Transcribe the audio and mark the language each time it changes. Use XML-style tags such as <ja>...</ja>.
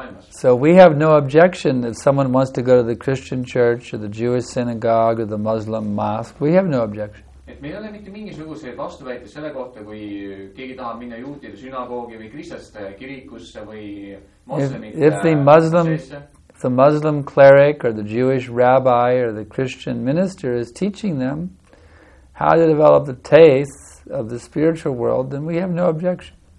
<en>So we have no objection if someone wants to go to the Christian church or the Jewish synagogue or the Muslim mosque. We have no objection.</en> <et>Et meil ei ole mitte mingisuguseid vastuväite selle kohta, kui keegi tahab minna juutide sünagoogi või kristlaste kirikusse või moslemite.</et> <en>The Muslim cleric or the Jewish rabbi or the Christian minister is teaching them how to develop the tastes of the spiritual world, then we have no objection.</en>